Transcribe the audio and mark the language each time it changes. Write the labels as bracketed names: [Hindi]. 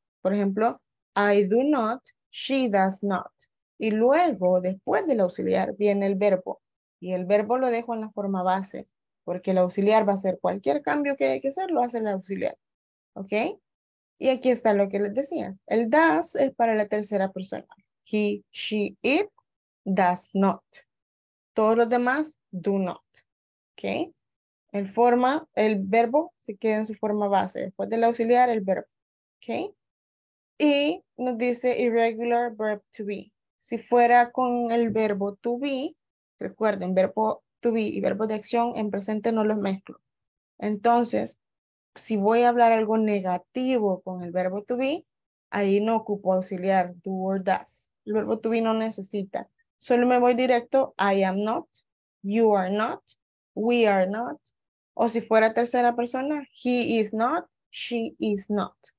[Spanish] Por ejemplo, [English] I do not, she does not. [Spanish] Y luego, después del auxiliar, viene el verbo. Y el verbo lo dejo en la forma base. Porque el auxiliar va a hacer cualquier cambio que hay que hacer, lo hace el auxiliar. ¿Ok? Y aquí está lo que les decía. El does es para la tercera persona. [English] He, she, it, does not. [Spanish] Todos los demás, [English] do not. ¿Ok? [Spanish] El forma, el verbo se queda en su forma base. Después del auxiliar, el verbo. ¿Ok? Y nos dice irregular verb to be. Si fuera con el verbo to be, recuerden, verbo to be y verbo de acción en presente no los mezclo. Entonces, si voy a hablar algo negativo con el verbo to be, ahí no ocupo auxiliar, do or does. El verbo to be no necesita. Solo me voy directo, [English] I am not, you are not, we are not. [Spanish] O si fuera tercera persona, [English] he is not, she is not.